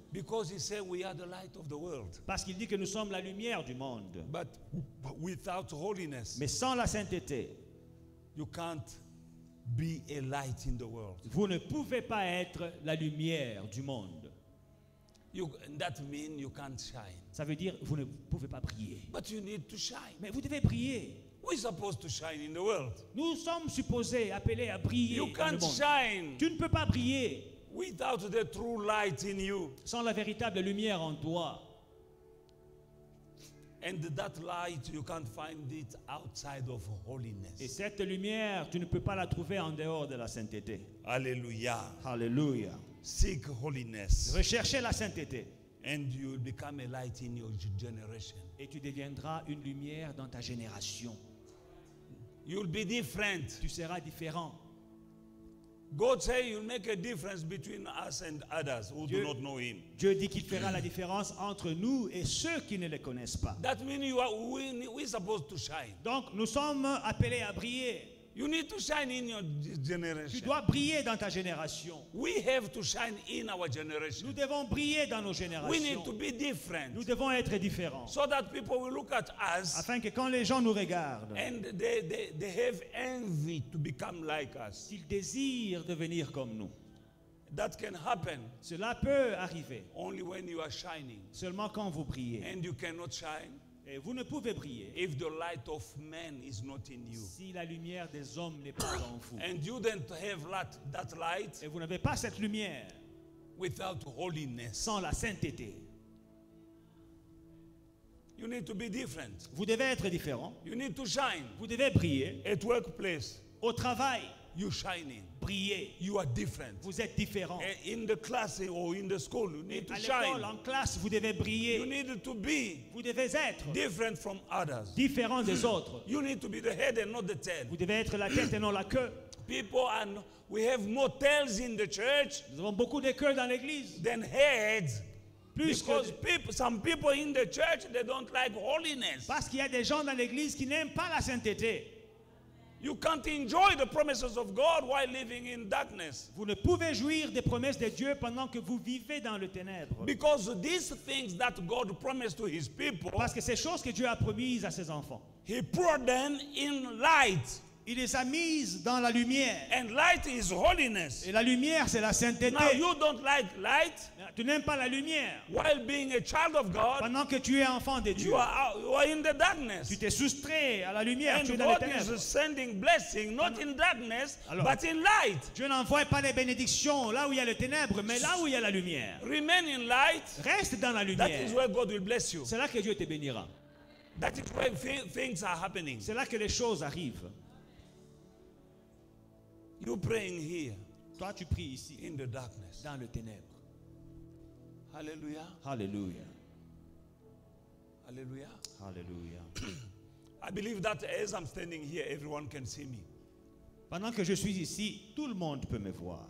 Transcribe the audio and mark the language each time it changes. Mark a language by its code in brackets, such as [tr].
[en] Because he said we are the light of the world. [fr] Parce qu'il dit que nous sommes la lumière du monde. [en] But without holiness, [fr] mais sans la sainteté, [en] you can't. Be a light in the world. [fr] Vous ne pouvez pas être la lumière du monde. [en] That means you can't shine. [fr] Ça veut dire vous ne pouvez pas briller. [en] But you need to shine. [fr] Mais vous devez briller. [en] We supposed to shine in the world. [fr] Nous sommes supposés appelés à briller. [en] You can't shine. [fr] Tu ne peux pas briller. [en] Without the true light in you. [fr] Sans la véritable lumière en toi. [en] And that light, you can't find it outside of holiness. [fr] Et cette lumière, tu ne peux pas la trouver en dehors de la sainteté. Alléluia. Alléluia. [en] Seek holiness. [fr] Recherchez la sainteté. [en] And you become a light in your generation. [fr] Et tu deviendras une lumière dans ta génération. [en] You'll be different. [fr] Tu seras différent. [en] God says you'll make a difference between us and others who do not know him. [fr] Dieu dit qu'il fera la différence entre nous et ceux qui ne le connaissent pas. [en] That means you are we supposed to shine. [fr] Donc nous sommes appelés à briller. [en] You need to shine in your generation. [fr] Tu dois briller dans ta génération. [en] We have to shine in our generation. [fr] Nous devons briller dans nos générations. [en] We need to be different. [fr] Nous devons être différents. [en] So that people will look at us. [fr] Afin que quand les gens nous regardent. [en] And they have envy to become like us. [fr] Ils désirent devenir comme nous. [en] That can happen. [fr] Cela peut arriver. [en] Only when you are shining. [fr] Seulement quand vous brillez. [en] And you cannot shine. [fr] Et vous ne pouvez briller [en] if the light of man is not in you. [fr] Si la lumière des hommes n'est pas en vous. [en] And you don't have that light. [fr] Et vous n'avez pas cette lumière. [en] Without holiness. [fr] Sans la sainteté. [en] You need to be different. [fr] Vous devez être différent. [en] You need to shine. [fr] Vous devez briller. [en] At workplace. [fr] Au travail. [en] You shining. [fr] Briller. [en] You are different. [fr] Vous êtes différent. [en] In the class or in the school, you need [fr] à [en] to shine. [fr] En classe, vous devez briller. [en] You need to be. [fr] Vous devez être. [en] Different from others. [fr] Différent des autres. [en] You need to be the head and not the tail. [fr] Vous devez être la tête et non la queue. [en] People and we have more tails in the church. [fr] Nous avons beaucoup de queues dans l'église. [en] Than heads. [fr] Plus [en] because some people in the church they don't like holiness. [fr] Parce qu'il y a des gens dans l'église qui n'aiment pas la sainteté. [en] You can't enjoy the promises of God while living in darkness. [fr] Vous ne pouvez jouir des promesses de Dieu pendant que vous vivez dans le ténèbre. [en] Because these things that God promised to His people. [fr] Parce que ces choses que Dieu a promises à ses enfants. [en] He brought them in light. [fr] Il les a mises dans la lumière. [en] And light is holiness. [fr] Et la lumière, c'est la sainteté. [en] Now you don't like light. [fr] Tu n'aimes pas la lumière. [en] While being a child of God. [fr] Pendant que tu es enfant de Dieu. [en] You are in the darkness. [fr] Tu t'es soustrait à la lumière. [en] And [fr] tu es [en] God [fr] dans les ténèbres. [en] Is sending blessing, not in darkness, alors, but in light. [fr] Dieu n'envoie pas les bénédictions là où il y a le ténèbre, mais là où il y a la lumière. [en] Remain in light. [fr] Reste dans la lumière. [en] That is where God will bless you. [fr] C'est là que Dieu te bénira. [en] That is where things are happening. [fr] C'est là que les choses arrivent. [en] You praying here. [fr] Toi tu pries ici. [en] In the darkness. [fr] Dans le ténèbre. [en] Hallelujah. Hallelujah. Hallelujah. Hallelujah. I believe that as I'm standing here, everyone can see me. [fr] Pendant que je suis ici, tout le monde peut me voir.